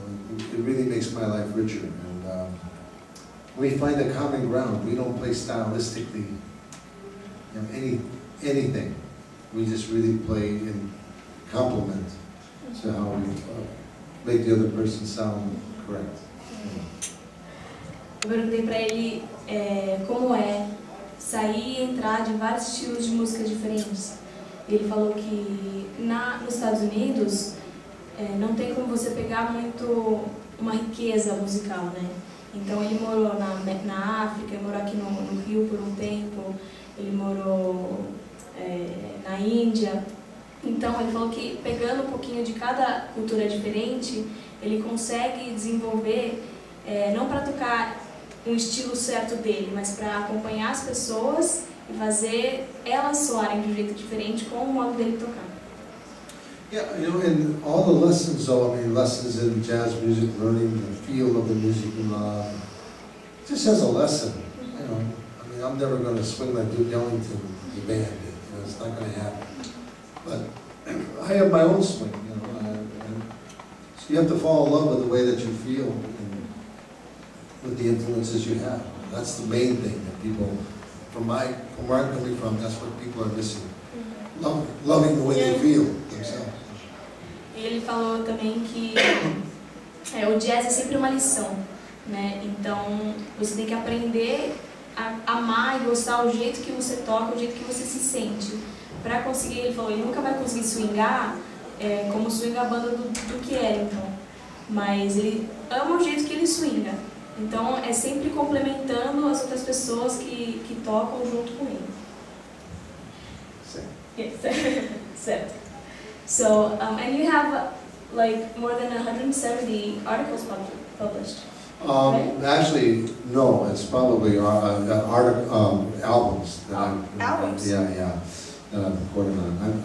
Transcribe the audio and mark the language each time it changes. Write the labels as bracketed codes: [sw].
[en] It really makes my life richer, and we find a common ground. We don't play stylistically, you know, anything. We just really play in complement to how we make the other person sound correct. [pt] Eu perguntei para ele como é sair e entrar de vários estilos de música diferentes. Ele falou que nos Estados Unidos não tem como você pegar muito uma riqueza musical, né? Então ele morou na África, morou aqui no Rio por um tempo, ele morou na Índia. Então ele falou que pegando um pouquinho de cada cultura diferente, ele consegue desenvolver, não para tocar um estilo certo dele, mas para acompanhar as pessoas e fazer elas soarem de um jeito diferente com o modo dele tocar. [en] Yeah, you know, in all the lessons, though, I mean, lessons in jazz music, learning the feel of the music you love, just as a lesson, you know. I mean, I'm never going to swing like Duke Ellington in the band. You know, it's not going to happen. But I have my own swing, you know. So you have to fall in love with the way that you feel and with the influences you have. That's the main thing that people, from where I'm coming from, that's what people are missing. Loving the way they feel. [pt] E ele falou também que o jazz é sempre uma lição, né? Então você tem que aprender a amar e gostar o jeito que você toca, o jeito que você se sente. Para conseguir, ele falou, ele nunca vai conseguir swingar como swinga a banda do que é, então. Mas ele ama o jeito que ele swinga. Então é sempre complementando as outras pessoas que tocam junto com ele. Certo. Certo. [en] So, and you have like more than 170 articles published. Right? Actually, no, it's probably albums. Albums? That I've recorded on.